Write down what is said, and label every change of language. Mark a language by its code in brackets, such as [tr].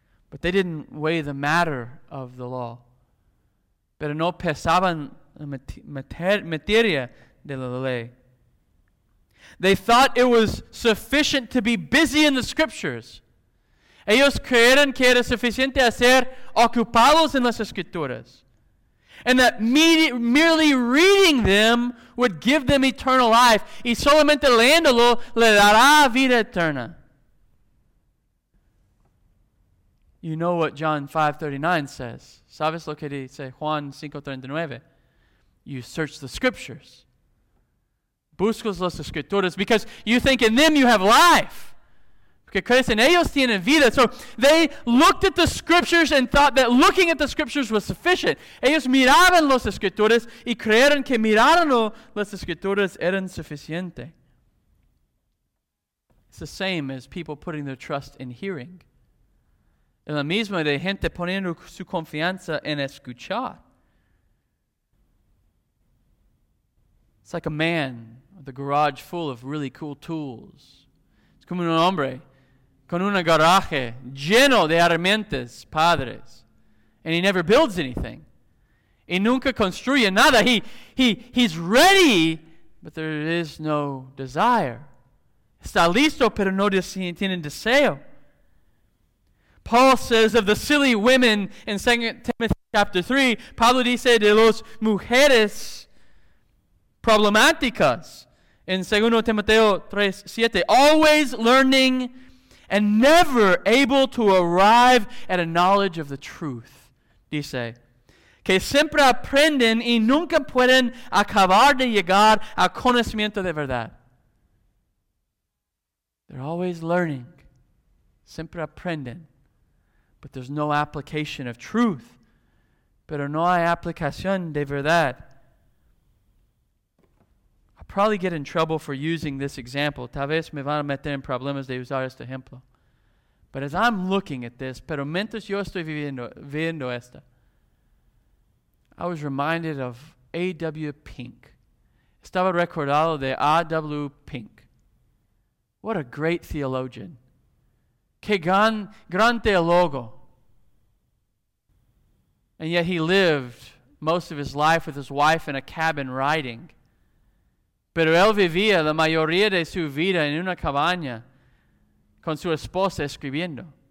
[en] But they didn't weigh the matter of the law. [es] Pero no pesaban la materia de la ley. [en] They thought it was sufficient to be busy in the scriptures. [es] Ellos creyeron que era suficiente hacer ocupados en las escrituras. [en] And that merely reading them would give them eternal life. [es] Y solamente leyéndolo le dará vida eterna. [en] You know what John 5:39 says. [es] ¿Sabes lo que dice Juan 5:39? [en] You search the scriptures. [es] Buscas las escrituras [en] because you think in them you have life. [es] Porque crees en ellos tienen vida. [en] So they looked at the scriptures and thought that looking at the scriptures was sufficient. [es] Ellos miraban las escrituras y creyeron que mirando las escrituras eran suficiente. [en] It's the same as people putting their trust in hearing. [es] En la misma de gente poniendo su confianza en escuchar. [en] It's like a man with a garage full of really cool tools. [es] Es como un hombre con un garaje lleno de herramientas, padres. [en] And he never builds anything. [es] Y nunca construye nada. [en] He's ready, but there is no desire. [es] Está listo, pero no tiene deseo. Paul says of the silly women in 2 Timothy chapter 3, Pablo dice de los mujeres problemáticas in 2 Timoteo 3:7, [en] always learning and never able to arrive at a knowledge of the truth, [es] dice, que siempre aprenden y nunca pueden acabar de llegar a conocimiento de verdad. [en] They're always learning, [es] siempre aprenden. [en] But there's no application of truth. [es] Pero no hay aplicación de verdad. [en] I'll probably get in trouble for using this example. [es] Tal vez me van a meter en problemas de usar este ejemplo. [en] But as I'm looking at this, [es] pero mientras yo estoy viendo esta, [en] I was reminded of A.W. Pink. [es] Estaba recordado de A.W. Pink. [en] What a great theologian. [es] Qué gran teólogo. [en] And yet he lived most of his life with his wife in a cabin writing. [es] Pero él vivía la mayoría de su vida en una cabaña con su esposa escribiendo.